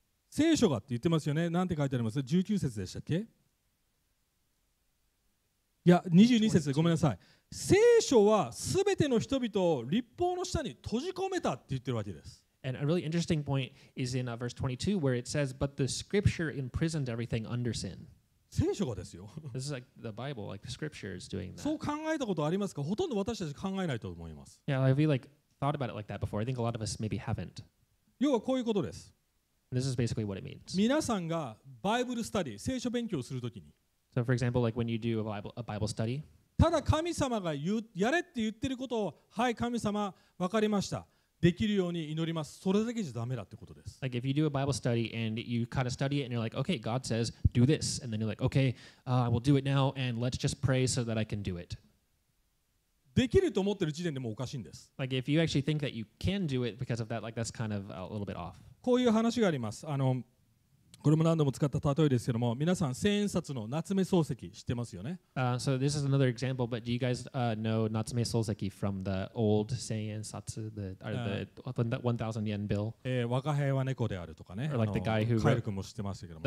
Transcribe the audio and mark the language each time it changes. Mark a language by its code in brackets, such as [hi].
[ja] 聖書がって言ってますよね。なんて書いてあります。19節でしたっけ？いや、22節でごめんなさい。聖書はすべての人々を律法の下に閉じ込めたって言ってるわけです。 [en] And a really interesting point is in verse 22 where it says, but the scripture imprisoned everything under sin. [ja] 聖書がですよ。 [en] This is like the Bible, like the scripture is doing that. [ja] そう考えたことありますか？ほとんど私たち考えないと思います。 [en] Yeah, I've like thought about it like that before. I think a lot of us maybe haven't. [ja] 要はこういうことです。 [en] And this is basically what it means. [ja] 皆さんがバイブルスタディ、聖書勉強をするときに、 [en] So for example, like when you do a Bible study. [ja] ただ神様が言うやれって言ってることをはい神様わかりましたできるように祈りますそれだけじゃダメだってことです。 [en] Like if you do a Bible study and you kind of study it and you're like, okay, God says do this, and then you're like, okay, I will do it now and let's just pray so that I can do it. [ja] できると思ってる時点でもおかしいんです。 [en] Like if you actually think that you can do it because of that, like that's kind of a little bit off. [ja] こういう話があります。これも何度も使った例えですけども、皆さん千円札の夏目漱石知ってますよね。 [en] So this is another example, but do you guys know 夏目漱石 from the old 千円札 the or the 1000 yen bill? [ja] 若輩は猫であるとかね。 [en] Or like the guy who [ja] カエル君も知ってますけども。